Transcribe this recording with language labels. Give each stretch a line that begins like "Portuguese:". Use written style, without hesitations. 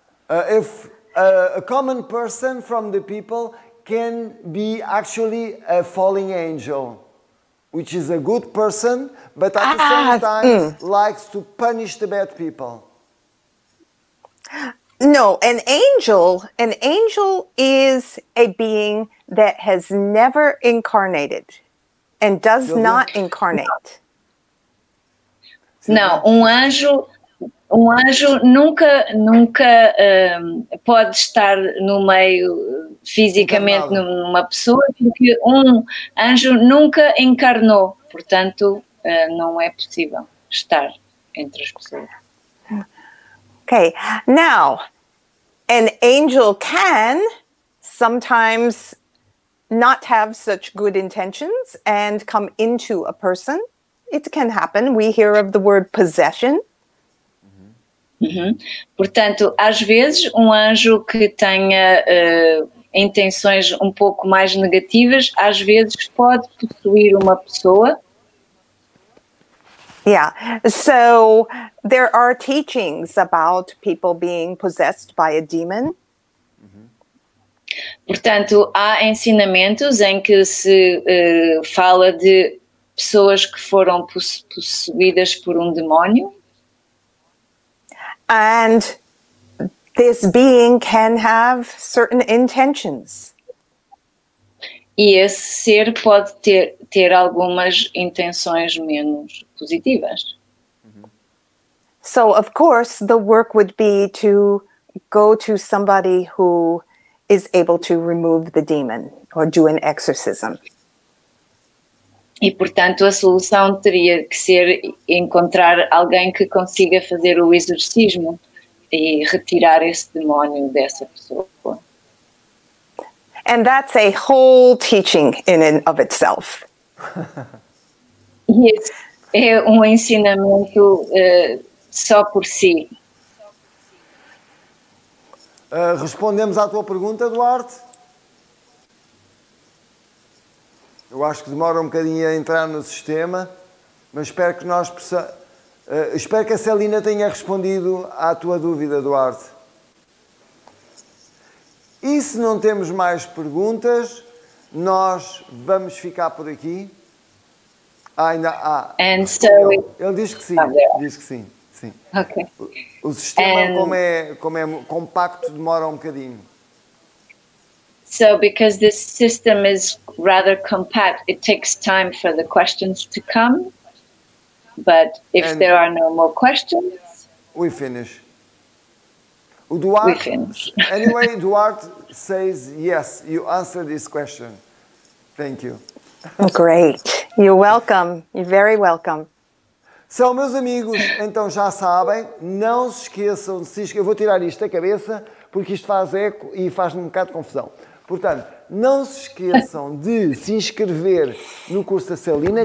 English: If a common person from the people can be actually a falling angel, which is a good person, but at the same time likes to punish the bad people. No, an angel is a being that has never incarnated and does not incarnate.
Portuguese: Não, um anjo nunca pode estar no meio fisicamente numa pessoa, porque um anjo nunca encarnou, portanto, não é possível estar entre as pessoas.
English: Okay. Now, an angel can sometimes not have such good intentions and come into a person. It can happen. We hear of the word possession. Mm-hmm.
Portuguese: Portanto, às vezes, um anjo que tenha intenções um pouco mais negativas, às vezes pode possuir uma pessoa.
English: Yeah, so there are teachings about people being possessed by a demon.
Portuguese: Portanto, há ensinamentos em que se fala de pessoas que foram possuídas por um demónio.
English: And this being can have certain intentions.
Portuguese: E esse ser pode ter algumas intenções menos positivas.
English: So, of course, the work would be to go to somebody who is able to remove the demon or do an exorcism.
Portuguese: E, portanto, a solução teria que ser encontrar alguém que consiga fazer o exorcismo e retirar esse demónio dessa pessoa.
English: And that's a whole teaching in and of itself.
Portuguese: Yes, é um ensinamento só por si. Respondemos à tua pergunta, Duarte? Eu acho que demora um bocadinho a entrar no sistema, mas espero que nós espero que a Celina tenha respondido à tua dúvida, Duarte. E se não temos mais perguntas, nós vamos ficar por aqui. Ele diz que sim. Diz que sim. Sim.
English: Okay.
Portuguese: O sistema, como é compacto, demora um bocadinho.
English: So, because this system is rather compact, it takes time for the questions to come. But if there are no more questions, we finish. O Duarte, anyway, Duarte says yes, you answered this question. Thank you. Great. You're welcome. You're very welcome.
Portuguese: São meus amigos, então já sabem, não se esqueçam de se inscrever. Eu vou tirar isto da cabeça porque isto faz eco e faz-me um bocado de confusão. Portanto, não se esqueçam de se inscrever no curso da Celina.